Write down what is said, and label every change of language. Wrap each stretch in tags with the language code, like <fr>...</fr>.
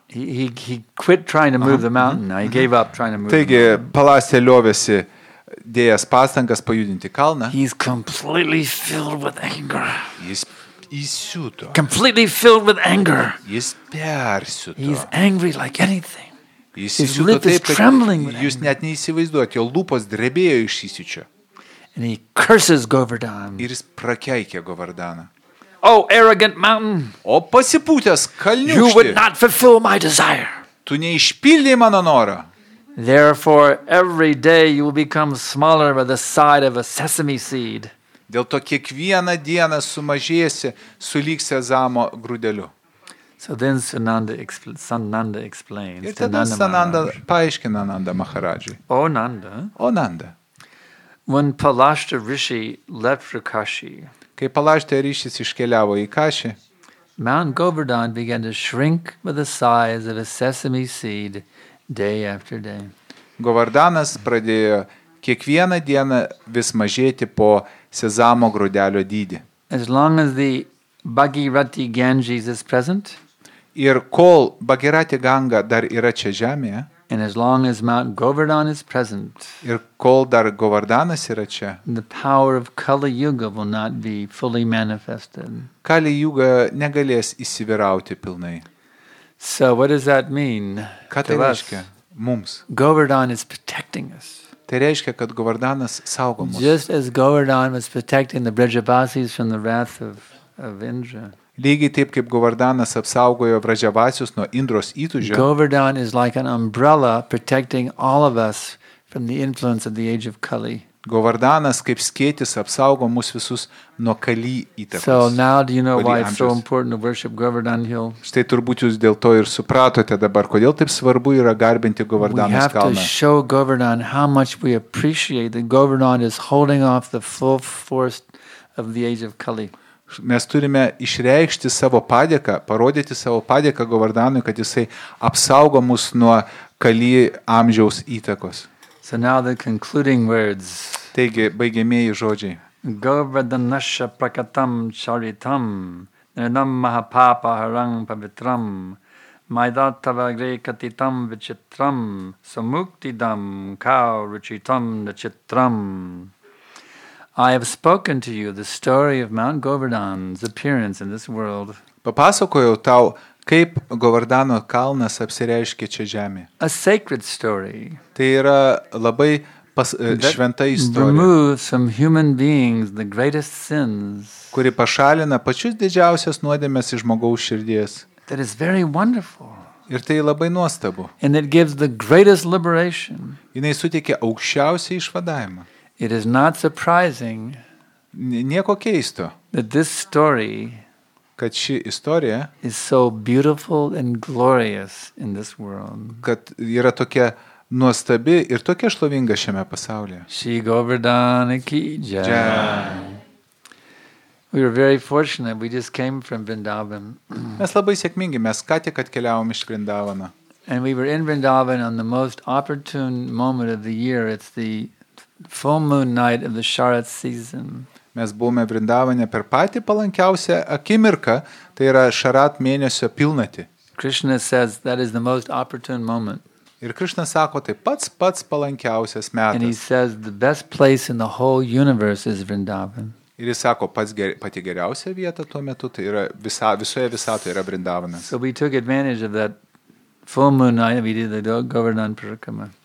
<en>He quit trying to move the mountain. Now he gave up trying to move.</en> <lt>Taigi, Palastya liovėsi dėjęs pastangas pajudinti kalną.</lt> <en>He's completely filled with anger.</en> <lt>Jis įsiuto.</lt> <en>Completely filled with anger.</en> <lt>Jis persiuto.</lt> <en>He's angry like anything.</en> <lt>Jis įsiuto taip, kad jūs net neįsivaizduojate, jo lūpos drebėjo iš įsiūčio.</lt> <en>And he curses Govardhan.</en> <lt>Ir jis prakeikė Govardhaną.</lt> <en>Oh, arrogant mountain!</en> <lt>O pasipūtęs kalniukšti!</lt> <en>You would not fulfill my desire.</en> <lt>Tu neišpildei mano norą.</lt> <en>Therefore, every day you will become smaller by the side of a sesame seed.</en> <lt>Dėl to kiekvieną dieną sumažėsi sulyg sezamo grūdeliu.</lt> <en>So then Sananda explains.</en> <lt>Ir tada Sananda paaiškina Ananda Maharadžiui.</lt> <en>O Nanda. When Palashta Rishi left for Kashi.</en> <lt>Kai Palashta Rishis iškeliavo į Kashi.</lt> <en>Mount Govardhan began to shrink with the size of a sesame seed day after day.</en> <lt>Govardhanas pradėjo kiekvieną dieną vis mažėti po sezamo grūdelio dydį.</lt> <en>As long as the Bhagirathi Ganges is present.</en> <lt>Ir kol Bhagirathi Ganga dar yra čia žemėje,</lt> <en>and as long as Mount Govardhan is present,</en> <lt>ir kol dar Govardhanas yra čia,</lt> <en>the power of Kali Yuga will not be fully manifested.</en> <lt>Kali Yuga negalės įsivyrauti pilnai.</lt> <en>So what does that mean?</en> <lt>Ką tai reiškia mums?</lt> <en>Govardhan is protecting us.</en> <lt>Tai reiškia, kad Govardhanas saugo mus.</lt> <en>Just as Govardhan was protecting the Brajavasis from the wrath of Indra.</en> <lt>Lygiai taip, kaip Govardhanas apsaugojo Vrajavasius nuo Indros įtūžio.</lt> <en>Govardhan is like an umbrella protecting all of us from the influence of the age of Kali.</en> <lt>Govardhanas kaip skėtis apsaugo mus visus nuo Kali įtakos.</lt> <en>So now do you know why it's so important to worship Govardhan Hill?</en> <lt>Štai turbūt jūs dėl to ir supratote dabar, kodėl taip svarbu yra garbinti Govardhanos kalną.</lt> <en>We have to show Govardhan how much we appreciate that Govardhan is holding off the full force of the age of Kali.</en> <lt>Mes turime išreikšti savo padėką, parodyti savo padėką Govardhanui, kad jisai apsaugo mus nuo Kali amžiaus įtakos.</lt> <en>So now the concluding words.</en> <lt>Taigi, baigiamieji žodžiai.</lt> <sa>Govardhanasya prakatam charitam nirnam mahapapa harang pavitram maidatava grekatitam vichitram samuktidam kau ruchitam nachitram.</sa> <en>I have spoken to you the story of Mount Govardhan's appearance in this world.</en> <lt>Papasakojau tau, kaip Govardhano kalnas apsireiškė čia žemėje.</lt> <en>A sacred story.</en> <lt>Tai yra labai šventa istorija.</lt> <en>Removes from human beings the greatest sins.</en> <lt>Kuri pašalina pačius didžiausias nuodėmes iš žmogaus širdies.</lt> <en>That is very wonderful.</en> <lt>Ir tai labai nuostabu.</lt> <en>And it gives the greatest liberation.</en> <lt>Jinai suteikia aukščiausią išvadavimą.</lt> <en>It is not surprising.</en> <lt>Nieko keisto.</lt> <en>That this story,</en> <lt>kad ši istorija,</lt> <en>is so beautiful and glorious in this world.</en> <lt>Kad yra tokia nuostabi ir tokia šlovinga šiame pasaulyje.</lt> <hi>Shri Govardhan ki jai.</hi> <en>We were very fortunate. We just came from Vrindavan.</en> <lt>Mes labai sėkmingi, mes ką tik atkeliavom iš Vrindavano.</lt> <en>And we were in Vrindavan on the most opportune moment of the year. It's the full moon night of the Sharad season.</en> <lt>Mes buvome Vrindavane per patį palankiausią akimirką, tai yra Sharad mėnesio pilnatį.</lt> <en>Krishna says that is the most opportune moment.</en> <lt>Ir Krishna sako, tai pats palankiausias metas.</lt> <en>And he says the best place in the whole universe is Vrindavan.</en> <lt>Ir jis sako, pati geriausia vieta tuo metu, tai yra visoje visatoje yra Vrindavanas.</lt> <en>So we took advantage of that full moon night and we did the Govardhan Parikrama.</en>